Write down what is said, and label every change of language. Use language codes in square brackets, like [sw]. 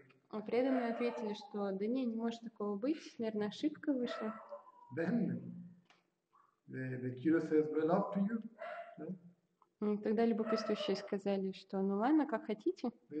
[ru] А преданные ответили, что да не, не может такого быть, наверное, ошибка вышла. [en] Then the curious says, well, up to you. [ru] Тогда любопытствующие сказали, что ну ладно, как хотите.